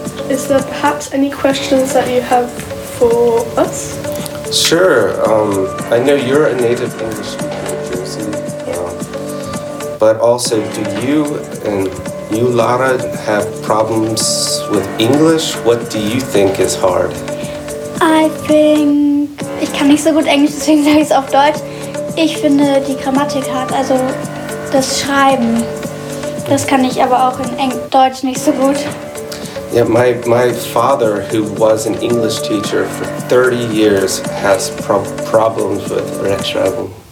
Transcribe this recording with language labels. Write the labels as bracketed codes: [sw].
[en] Is there perhaps any questions that you have for us? Sure. I know you're a native English speaker in Jersey, but also do you and you, Lara, have problems with English? What do you think is hard? I think [de] ich kann nicht so gut Englisch, deswegen sage ich es auf Deutsch. Ich finde die Grammatik hart, also das Schreiben. Das kann ich aber auch in Deutsch nicht so gut. [en] Yeah, my father, who was an English teacher for 30 years, has problems with Rechtschreibung.